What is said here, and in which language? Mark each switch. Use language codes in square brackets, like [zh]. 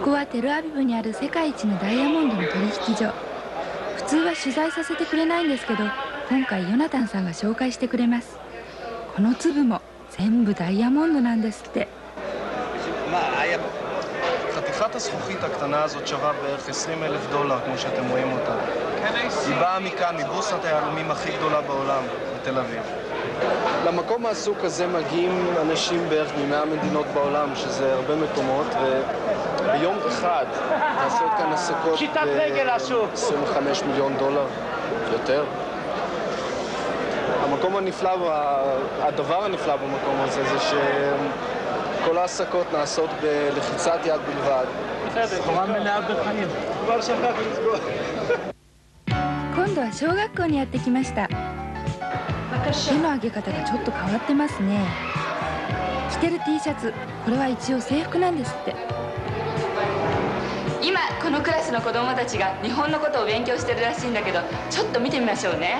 [ja] テルアビブにある世界一のダイヤモンドの取引所。普通は取材させてくれないんですけど、今回ヨナタンさんが紹介してくれます。この粒も全部ダイヤモンドなんですって。まあ、やっぱ [he] חתיכת הזכוכית הקטנה הזאת שווה בערך $20,000 כמו שאתם רואים אותה. היא באה מכאן, מבורסת הירומים הכי גדולה בעולם, בתל אביב. למקום העסוק הזה מגיעים אנשים בערך מ-100 מדינות בעולם, שזה הרבה מקומות, וביום אחד לעשות כאן עסקות $25 מיליון יותר. המקום הנפלא, הדבר הנפלא במקום הזה, זה שכל העסקות נעשות בלחיצת יד בלבד. [ja] 今度は小学校にやってきました。手の上げ方がちょっと変わってますね。着てる T シャツ、これは一応制服なんですって。今このクラスの子供たちが日本のことを勉強してるらしいんだけど、ちょっと見てみましょうね。